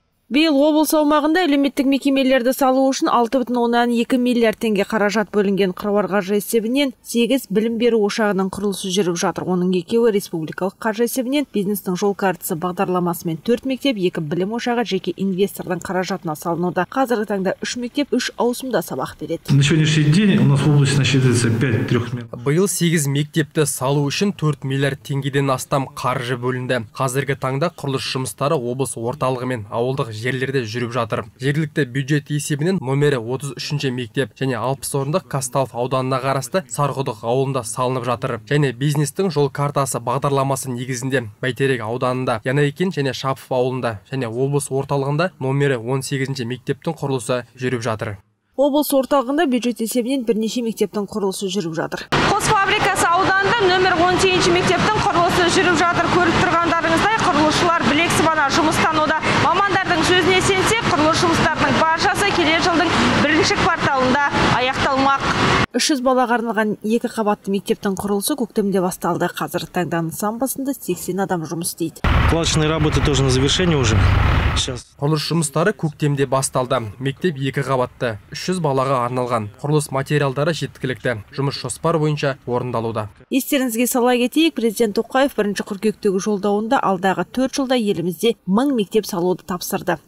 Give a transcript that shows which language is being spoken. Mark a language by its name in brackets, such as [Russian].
[Kazakh] Биыл облыс аумағында әлеуметтік мекемелерді салу үшін 6,2 миллиард теңге қаражат бөлінген қыруар қаржы есебінен 8 білім беру ошағының құрылысы жүріп жатыр. Оның екеуі республикалық қаржы есебінен бизнестің жол картасы бағдарламасымен 4 мектеп, 2 білім ошағы жеке инвестордың қаражатына салынуда. Қазіргі таңда 3 мектеп 3 ауысымда сабақ береді. [Russian] На сегодняшний день у нас в области насчитывается 5-3 [Kazakh] мектеп. Биыл 8 мектепті салу үшін 4 миллиард теңгеден астам қаржы бөлінді. Қазіргі таңда құрылыс жұмыстары облыс орталығы мен ауылдық жерлерде жүріп жатыр. Жергілікті бюджет есебінен номері 33-ші мектеп және 60 орындық Касталов ауданына қарасты Сарғұдық ауылында салынып жатыр. Және бизнестің жол картасы бағдарламасы негізінде Бәйтерек ауданында, Янайкин және Шапов ауылында және облыс орталығында номері 18-ші мектептің құрылысы жүріп жатыр. Облыс орталығында бюджет есебінен бірнеше мектептің құрылысы жүріп жатыр. Қос фабрикасы ауданында номер 17-ші мектептің құрылысы жүріп жатыр. Көріп тұрғандарыңыздай, құрылысшылар білек сыбана жұмыстануда. Мамандардың сөзіне сенсек, құрылыс жұмыстарының баршасы келер жылдың 1-ші кварталында аяқталмақ. 300 балаға арналған 2 қабатты мектептің құрылысы көктемде басталды. Қазір таңда нысан басында 80 адам жұмыс істейді. [Russian] Кладочные работы тоже на завершение уже. [Kazakh] Құрылыс жұмыстары көктемде басталды. Мектеп 2 қабатты, 300 балаға арналған. Құрылыс материалдары жеткілікті. Жұмыс жоспар бойынша орындалуда. Естеріңізге сала кетейік, президент Тоқаев 1 қыркүйектегі жолдауында алдағы 4 жылда елімізде 1000 мектеп салуды тапсырды.